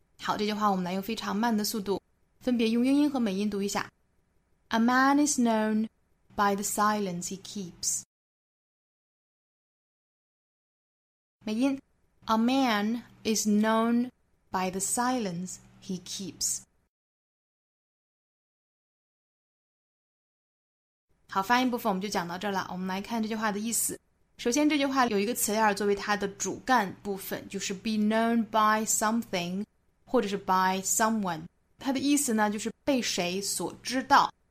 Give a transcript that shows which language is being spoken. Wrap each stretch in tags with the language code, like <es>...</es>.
<zh>好，这句话我们来用非常慢的速度分别用英音和美音读一下。</zh> <en>A man is known by the silence he keeps。美音 A man is known by the silence he keeps。</en> <zh>好，发音部分我们就讲到这儿了。我们来看这句话的意思。首先这句话有一个词链作为它的主干部分，就是</zh> <en>be known by something</en> <zh>或者是</zh> <en>by someone，</en> <zh>它的意思呢就是被谁所知道。</zh>